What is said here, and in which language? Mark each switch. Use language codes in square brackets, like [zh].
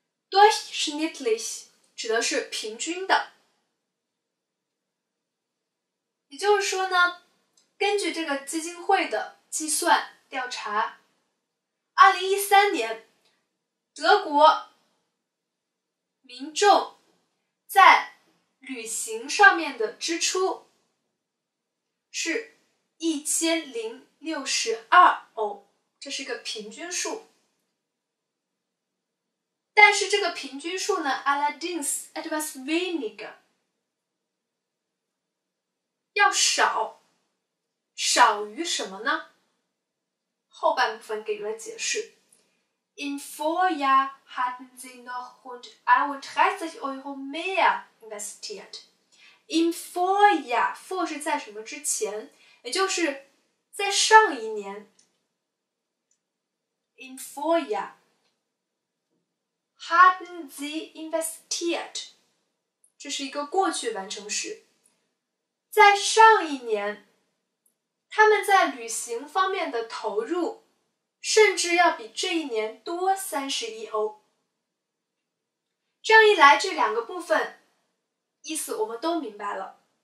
[zh] durchschnittlich指的是平均的，也就是说呢，根据这个基金会的计算调查，2013年德国民众在旅行上面的支出是1062欧，这是一个平均数。但是这个平均数呢 [de] allerdings etwas weniger， [zh] 要少，少于什么呢？后半部分给了解释。 [de] Im Vorjahr hatten sie noch rund 31 Euro mehr investiert。 Im Vorjahr， [zh] vor 是在什么之前，也就是在上一年。 [de] Im VorjahrHadden sie investiert， [zh] 这是一个过去完成时。在上一年他们在旅行方面的投入甚至要比这一年多31欧。这样一来这两个部分意思我们都明白了。